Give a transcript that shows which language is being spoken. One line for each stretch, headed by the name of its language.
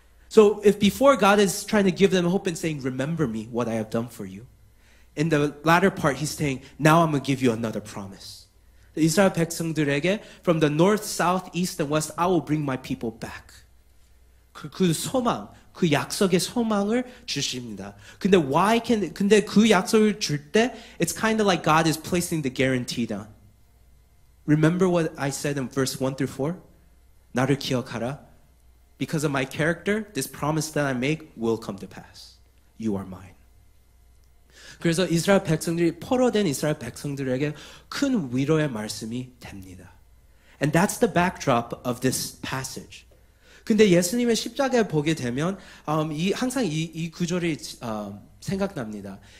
English: So if before God is trying to give them hope and saying, remember me, what I have done for you. In the latter part, he's saying, now I'm going to give you another promise.
Korean: 이스라엘 백성들에게
English: from the north, south, east, and west, I will bring my people back.
Korean: 그 소망, 그 약속의 소망을 주십니다. 근데 그 약속을 줄 때,
English: it's kind of like God is placing the guarantee down. Remember what I said in verse 1 through 4?
Korean: 나를 기억하라.
English: Because of my character, this promise that I make will come to pass. You are mine.
Korean: 그래서 이스라엘 백성들이 포로된 이스라엘 백성들에게 큰 위로의 말씀이 됩니다.
English: And that's the backdrop of this passage.
Korean: 근데 예수님의 십자가에 보게 되면 항상 이 구절이 생각납니다.